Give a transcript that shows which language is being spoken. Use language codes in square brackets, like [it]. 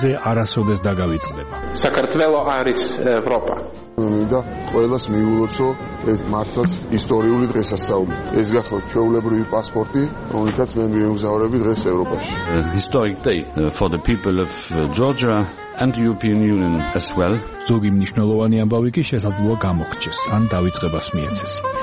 [ka] არასოდეს დაგავიწყდება. საქართველოს არის ევროპა. მინდა ყოველას მიულოცო ეს მართლაც ისტორიული დღესასწაული. ეს გახლავთ ჩვეულებრივი პასპორტი, რომელიც მე მიემგზავრები დღეს ევროპაში. [en] Historic day for the people of Georgia and the European Union as well. [ka] ზოგი მნიშვნელოვანი ამბავი კი შესაძლოა გამოგჩეს ან დაიწყებას მიეცეს.